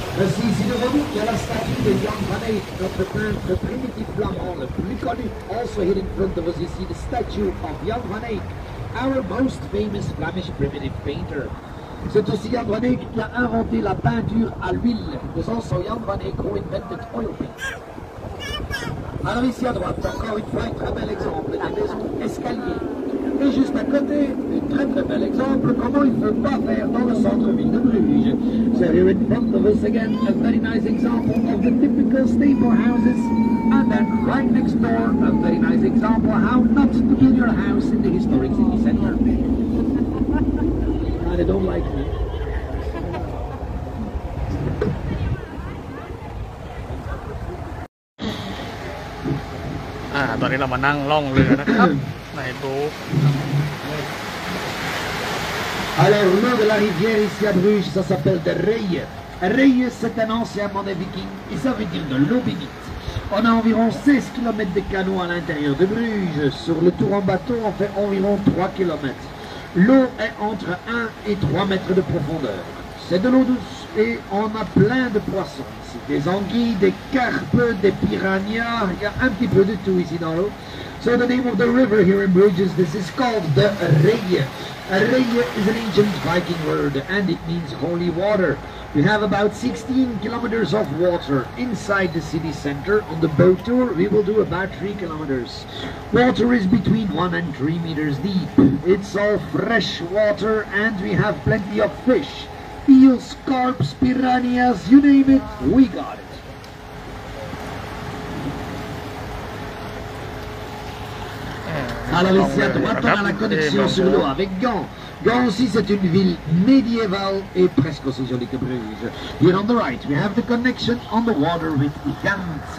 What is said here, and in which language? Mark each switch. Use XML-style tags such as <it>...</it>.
<fr>Ici, ici de Renault, il y a la statue de Jan van Eyck, notre peintre primitif flamand le plus connu.</fr> <en>Also here in front of us, you see the statue of Jan van Eyck, our most famous Flemish primitive painter.</en> <fr>C'est aussi Jan van Eyck qui a inventé la peinture à l'huile.</fr> <en>There's also Jan van Eyck who invented oil paint.</en> <fr>Alors ici à droite, encore une fois, un très bel exemple de maison escalier. Et juste à côté, un très très bel exemple comment il ne faut pas faire dans le centre-ville de Bruges.</fr> <en>So here in front of us again, a very nice example of the typical staple houses. And then right next door, a very nice example how not to build your house in the historic city center. And they don't like me.</en> <th>ตอนนี้เรามานั่งล่องเรือนะครับในบรู</th> <fr>ค Alors l'eau de la rivière ici à Bruges ça s'appelle de Reille. Reille c'est un ancien mot des Vikings et ça veut dire de l'eau bénite. On a environ 16 km de canaux à l'intérieur de Bruges. Sur le tour en bateau on fait environ 3 km. L'eau est entre 1 et 3 mètres de profondeur. C'est de l'eau douce et on a plein de poissons. Des anguilles, des carpes, des piranhas, il y a un petit peu de tout ici dans l'eau.</fr> <en>So the name of the river here in Bruges, this is called the Reille. Reille is an ancient Viking word and it means holy water. We have about 16 kilometers of water inside the city center. On the boat tour, we will do about 3 kilometers. Water is between 1 and 3 meters deep. It's all fresh water and we have plenty of fish. Eels, carps, piranhas, you name it, we got it.</en> <fr>Alors ici à droite, on a la connexion sur l'eau avec Gand. Gand aussi, c'est une ville médiévale et presque aussi jolie que Bruges.</fr> <en>Here on the right, we have the connection on the water with Gand.</en>